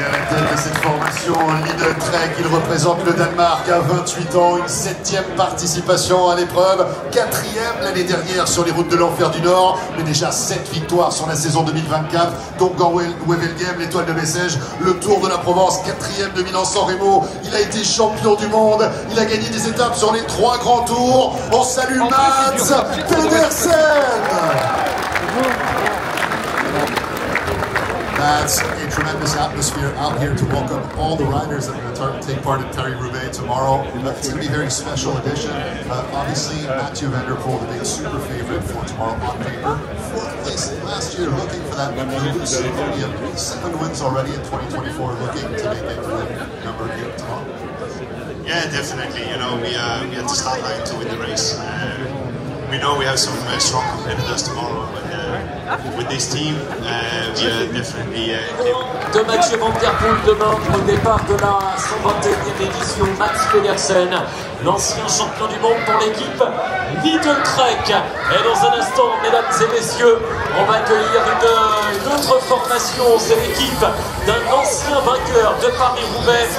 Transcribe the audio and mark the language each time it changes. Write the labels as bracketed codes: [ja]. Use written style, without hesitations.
[fr] De cette formation Lidl Trek, il représente le Danemark à 28 ans, une 7e participation à l'épreuve, 4e l'année dernière sur les routes de l'enfer du Nord, mais déjà 7 victoires sur la saison 2024, dont Ganvevelgem, l'étoile de Bessèges, le Tour de la Provence, 4e de Milan-San Remo, il a été champion du monde, il a gagné des étapes sur les 3 grands tours, on salue Mads Pedersen. [en] That's a tremendous atmosphere out here to welcome all the riders that are going to take part in Paris-Roubaix tomorrow. It's going to be a very special edition. Obviously, Mathieu van der Poel, the big super favorite for tomorrow on paper. 4th place last year, looking for that elusive podium. 7 wins already in 2024, looking to make it to the number here tomorrow. Yeah, definitely. You know, we have to start line to win the race. We know we have some strong competitors tomorrow, but with this team, we are definitely [fr] De Mathieu Van Der Poel demain au départ de la 121e édition, Max Pedersen, l'ancien champion du monde pour l'équipe Lidl Trek. Et dans un instant, mesdames et messieurs, on va accueillir une autre formation. C'est l'équipe d'un ancien vainqueur de Paris-Roubaix.